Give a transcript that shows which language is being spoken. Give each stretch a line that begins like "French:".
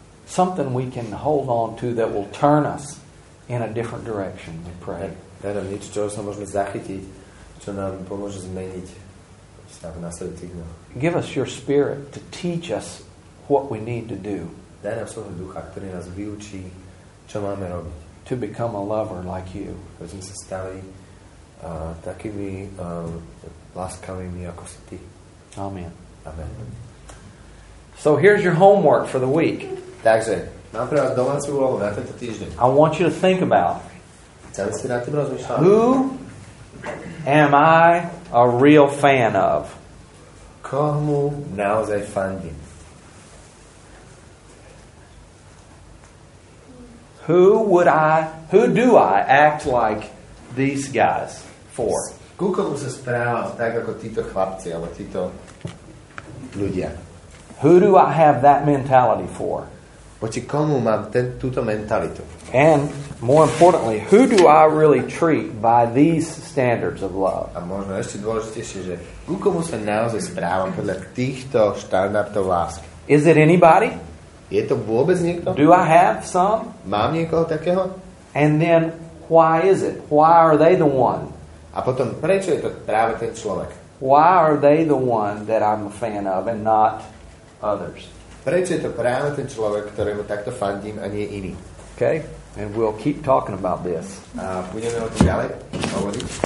English: Something we can hold on to that will turn us in a different direction, we pray.
Slovak: Daj nám niečo, čo sa môžeme zachytiť, čo nám pomôže zmeniť sa v nasledujúcich dňoch.
English: Give us your spirit to teach us what we need to do.
Slovak: Daj nám svojho ducha, ktorý nás vyučí, čo máme robiť.
English: To become a lover like you.
Slovak: Aby sme sa stali takými láskavými ako si ty.
English: Amen.
Slovak: Amen.
English: So here's your homework for the week.
Slovak: Takže, mám pre vás domácu úlohu na tento týždeň.
English: I want you to think about.
Slovak: Chcem si nad tým rozmýšľať.
English: Who am I a real fan of?
Slovak: Komu naozaj fandím?
English: Who do I act like these guys for?
Slovak: Ku komu sa správam tak ako títo chlapci alebo títo ľudia?
English: Who do I have that mentality for?
Slovak: Voči komu mám túto mentalitu?
English: And more importantly, who do I really treat by these standards of love?
Slovak: A možno ešte dôležitejšie, že ku komu sa naozaj správam podľa týchto štandardov lásky?
English: Is it anybody?
Slovak: Je to vôbec niekto?
English: Do I have some?
Slovak: Mám niekoho takého?
English: And then, why is it? Why are they the one?
Slovak: A potom, prečo je to práve ten človek?
English: Why are they the one that I'm a fan of and not others?
Slovak: Prečo je to práve ten človek, ktorému takto fandím a nie iný?
English: Okay, and we'll keep talking about this.
Slovak: Budeme o tom ďalej hovoriť.